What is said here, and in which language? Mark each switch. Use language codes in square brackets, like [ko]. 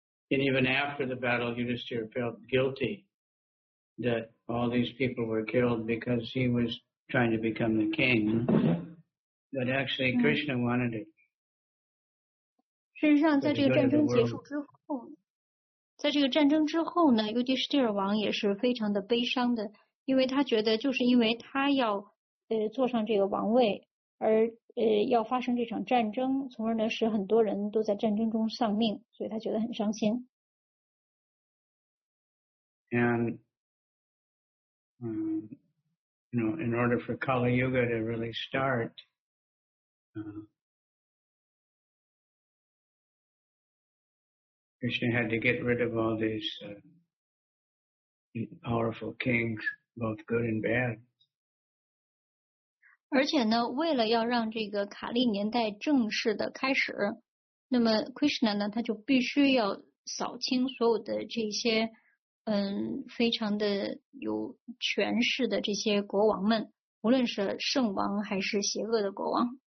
[en] And even after the battle, Yudhishthira felt guilty that all these people were killed because he was trying to become the king. But actually Krishna wanted it. [zh] 事实上在这个战争结束之后，在这个战争之后呢，尤迪士蒂尔王也是非常的悲伤的，因为他觉得就是因为他要坐上这个王位而要发生这场战争，从而呢使很多人都在战争中丧命，所以他觉得很伤心。 [en] And you know, in order for Kali Yuga to really startKrishna had to get rid of all these powerful kings, both good and bad. [zh] 而且呢，为了要让这个卡利年代正式的开始，那么 Krishna 呢，他就必须要扫清所有的这些非常的有权势的这些国王们，无论是圣王还是邪恶的国王。